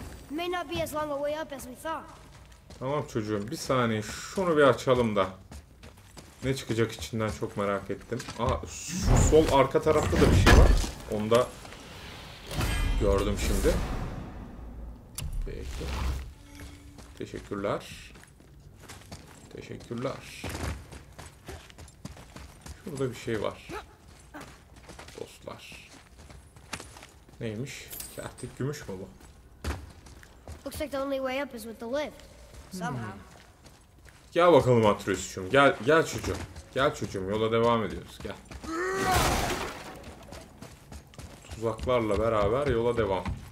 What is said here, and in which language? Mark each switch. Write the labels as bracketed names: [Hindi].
[English] May not be as long a way up as we thought. [Turkish] Tamam çocuğum, bir saniye şunu bir açalım da. Ne çıkacak içinden çok merak ettim. Aa, şu sol arka tarafta da bir şey var. Onu da gördüm şimdi. Peki. Teşekkürler. Teşekkürler. Şurada bir şey var. Dostlar. Neymiş? Kertik gümüş mü bu? [English] Looks like the only way up is with the lift. Somehow. [Turkish] Gel bakalım Atreus'cum. Gel, gel çocuğum. Gel çocuğum, yola devam ediyoruz. Gel. Tuzaklarla beraber yola devam.